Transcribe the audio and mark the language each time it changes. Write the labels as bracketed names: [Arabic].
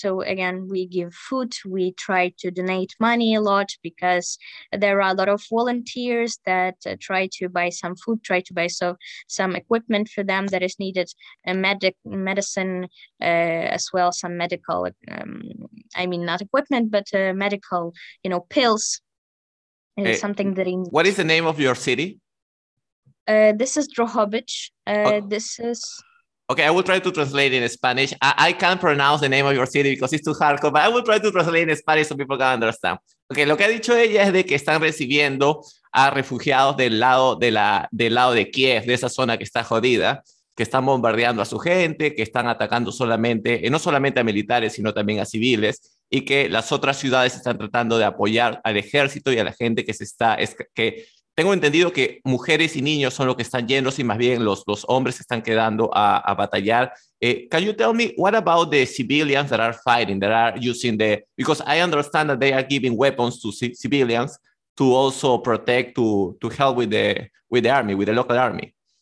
[English] So again, we give food, we try to donate money a lot, because there are a lot of volunteers that try to buy some food, try to buy some equipment for them that is needed, medicine as well, some medical I mean, not equipment, but medical, you know, pills. Hey, something that in what is the name of your city? This is Drohobych. This is okay, I will try to translate in Spanish. I can't pronounce the name of your city because it's too hardcore, but I will try to translate in Spanish so people can understand. [Spanish] Okay, lo que ha dicho ella es de que están recibiendo a refugiados del lado de Kiev, de esa zona que está jodida, que están bombardeando a su gente, que están atacando solamente, no solamente a militares, sino también a civiles, y que las otras ciudades están tratando de apoyar al ejército y a la gente que se está... Tengo entendido que mujeres y niños son los que están yendo, y más bien los hombres están quedando a batallar. [English] Can you tell me what about the civilians that are fighting, that are using the... Because I understand that they are giving weapons to civilians to also protect, to help with the army, with the local army.